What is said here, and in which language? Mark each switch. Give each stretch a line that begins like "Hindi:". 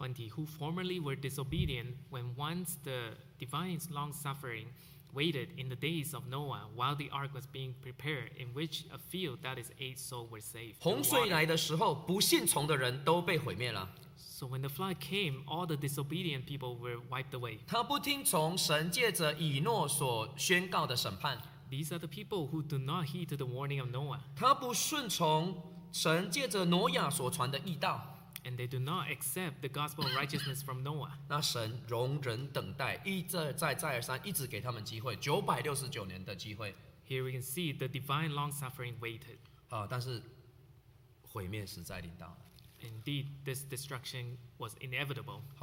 English: who formerly were disobedient when once the divine's long suffering waited in the days of Noah while the ark was being prepared in which a field that is 8 souls were saved.
Chinese: 洪水来的时候，不信从的人都被毁灭了。
English: So when the flood came, all the disobedient people were wiped away.
Chinese: 他不听从神借着以诺所宣告的审判。
English: These are the people who do not heed to the warning of Noah.
Chinese: 他不顺从神借着挪亚所传的义道。
English: And they do not accept the gospel of righteousness from Noah.
Chinese: 那神容忍等待，一再再而三，一直给他们机会， 969年的机会。
English: Here we can see the divine long-suffering waited.
Chinese: 但是毁灭实在临到。
English: Indeed, this destruction was inevitable.